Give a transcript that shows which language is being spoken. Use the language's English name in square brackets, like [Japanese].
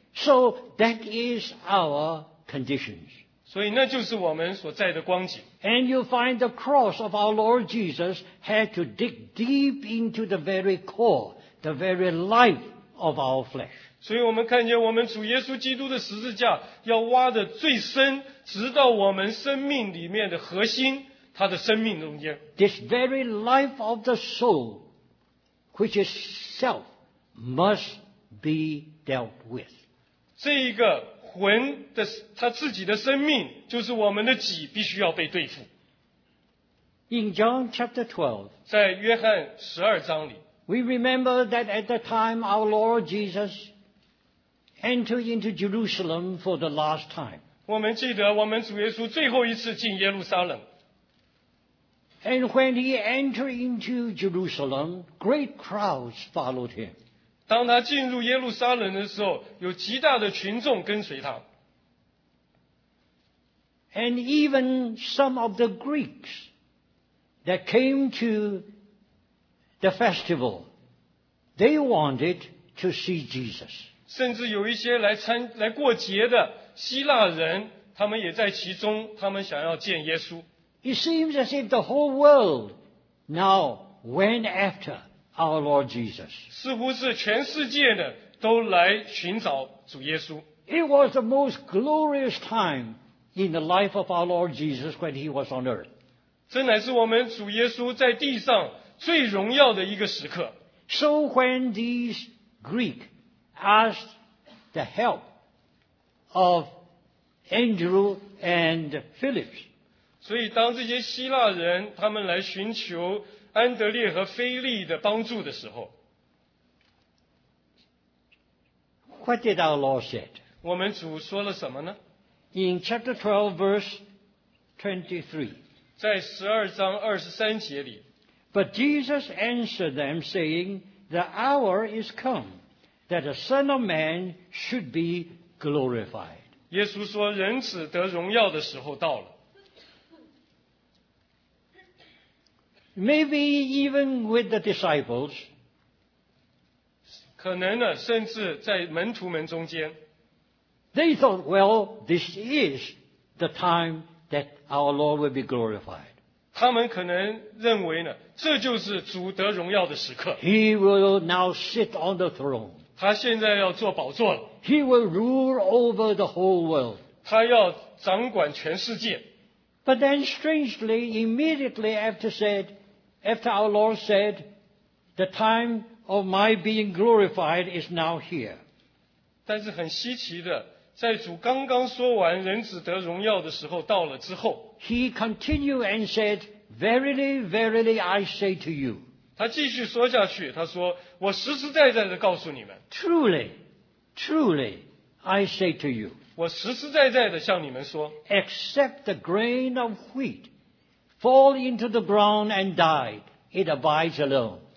[English] So that is our conditions. [Chinese] 所以那就是我们所在的光景。 [English] And you find the cross of our Lord Jesus had to dig deep into the very core, the very life of our flesh. [Chinese] 所以我们看见我们主耶稣基督的十字架要挖得最深，直到我们生命里面的核心，他的生命中间。 [English] This very life of the soul, which is self, must be dealt with. [Chinese] 这一个魂的他自己的生命就是我们的己必须要被对付。 [English] In John chapter 12, [Chinese] 在约翰十二章里 [English] we remember that at the time our Lord Jesus entered into Jerusalem for the last time. [Chinese] 我们记得我们主耶稣最后一次进耶路撒冷。 [English] And when he entered into Jerusalem, great crowds followed him. [Chinese] 当他进入耶路撒冷的时候，有极大的群众跟随他。 [English] And even some of the Greeks that came to the festival, they wanted to see Jesus. [Chinese] 甚至有一些来过节的希腊人，他们也在其中，他们想要见耶稣。 [English] It seems as if the whole world now went after. Our Lord Jesus. [Chinese] 似乎是全世界的都来寻找主耶稣。 [English] It was the most glorious time in the life of our Lord Jesus when he was on earth. [Chinese] 这乃是我们主耶稣在地上最荣耀的一个时刻。 [English] So when these Greeks asked the help of Andrew and Philip, [Chinese] 所以当这些希腊人他们来寻求安德烈和菲利的帮助的时候 [English] What did our Lord said? [Chinese] 我们主说了什么呢 [English] In chapter 12 verse 23 [Chinese] 在十二章二十三节里 [English] But Jesus answered them saying The hour is come that the Son of Man should be glorified. [Chinese] 耶稣说人子得荣耀的时候到了。 [English] Maybe even with the disciples. [Chinese] 可能呢甚至在门徒们中间。 [English] They thought, well, this is the time that our Lord will be glorified. [Chinese] 他们可能认为呢，这就是主得荣耀的时刻。 [English] He will now sit on the throne. [Chinese] 他现在要坐宝座了。 [English] He will rule over the whole world. [Chinese] 他要掌管全世界。 [English] But then strangely, immediately after our Lord said, the time of my being glorified is now here. [Chinese] 但是很稀奇的，在主刚刚说完人子得荣耀的时候到了之后， [English] He continued and said, Verily, verily, I say to you. [Chinese] 他继续说下去，他说，我实实在在地告诉你们。 [English] Truly, truly, I say to you. [Chinese] 我实实在在地向你们说。 [English] Except the grain of wheat fall into the ground and died, it abides alone.